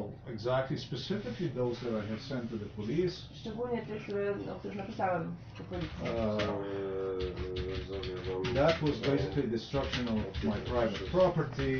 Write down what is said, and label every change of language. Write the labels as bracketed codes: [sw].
[en] Exactly, specifically those that I have sent to the police. [pl] Szczególnie tych, o których napisałem do policji. [en] That was basically destruction of my private property.